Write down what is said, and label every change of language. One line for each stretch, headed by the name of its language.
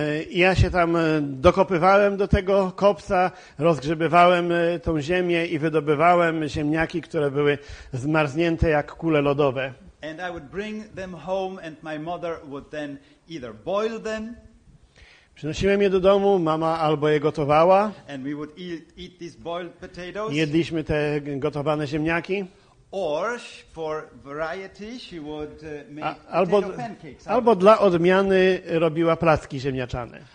Polish: Ja się tam dokopywałem do tego kopca, rozgrzebywałem tą ziemię i wydobywałem ziemniaki, które były zmarznięte jak kule lodowe.
English: And I would bring them home and my mother would then either boil them.
Polish: Przynosiłem je do domu, mama albo je gotowała.
English: And we would eat these boiled potatoes.
Polish: Jedliśmy te gotowane ziemniaki.
English: Or for variety she would make potato pancakes.
Polish: Albo dla odmiany robiła placki ziemniaczane.